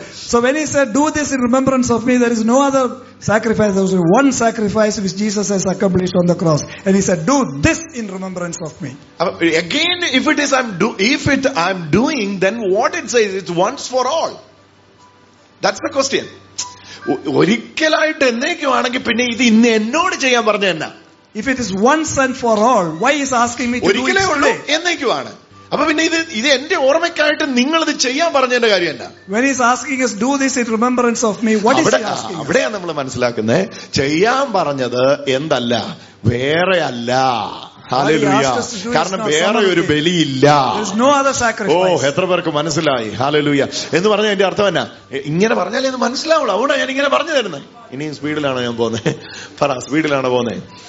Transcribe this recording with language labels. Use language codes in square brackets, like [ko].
[en] So when he said, do this in remembrance of me, there is no other sacrifice. There was only one sacrifice which Jesus has accomplished on the cross. And he said, do this in remembrance of me. Again, if I'm doing, then what it says, it's once for all. That's the question. [ml] ഒരിക്കലായിട്ട് എന്നേക്കുവാണെങ്കിൽ പിന്നെ ഇത് ഇന്ന് എന്നോട് ചെയ്യാൻ പറഞ്ഞതന്നെ. [en] If it is once and for all, why is asking me to do it today? [ml] എന്നേക്കുവാണ്. അപ്പൊ പിന്നെ ഇത് എന്റെ ഓർമ്മയ്ക്കായിട്ട് നിങ്ങൾ ഇത് ചെയ്യാൻ പറഞ്ഞതിന്റെ കാര്യം എന്താ? [en] When he is asking us, do this in remembrance of me, what is he asking? [ml] അവിടെയാ നമ്മൾ മനസ്സിലാക്കുന്നത്, ചെയ്യാൻ പറഞ്ഞത് എന്തല്ല, വേറെ അല്ല. ഹാലലൂയ. കാരണം വേറെ ഒരു ബലിയില്ല. ഓ, എത്ര പേർക്ക് മനസ്സിലായി? ഹാലലൂയ എന്ന് പറഞ്ഞ എന്റെ അർത്ഥം എന്നാ, ഇങ്ങനെ പറഞ്ഞാലേ മനസ്സിലാവുള്ളൂ. അതുകൊണ്ടാ ഞാൻ ഇങ്ങനെ പറഞ്ഞു തരുന്നത്. ഇനിയും സ്പീഡിലാണോ ഞാൻ പോകുന്നത്? പറ സ്പീഡിലാണോ പോകുന്നത്?